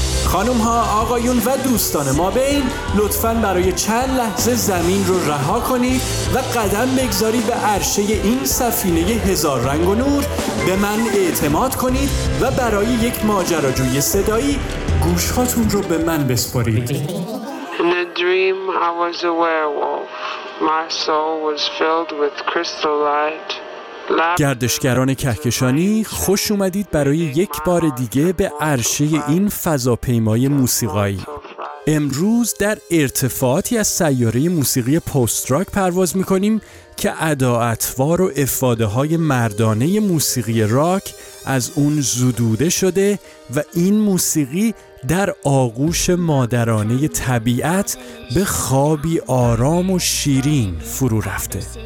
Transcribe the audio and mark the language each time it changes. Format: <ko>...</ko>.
<fa>خانوم ها، آقایون و دوستان ما بین، لطفاً برای چند لحظه زمین رو رها کنید و قدم بگذارید به عرشه این سفینه هزار رنگ و نور. به من اعتماد کنید و برای یک ماجراجوی صدایی گوش هاتون رو به من بسپارید.</fa> <en>In a dream I was a werewolf. My soul was filled with crystal light.</en> <fa>گردشگران کهکشانی، خوش اومدید برای یک بار دیگه به عرشه این فضاپیمای موسیقایی. امروز در ارتفاعاتی از سیاره موسیقی پست‌راک پرواز میکنیم که ادا اطوار و افاده های مردانه موسیقی راک از اون زدوده شده و این موسیقی در آغوش مادرانه طبیعت به خوابی آرام و شیرین فرو رفته.</fa>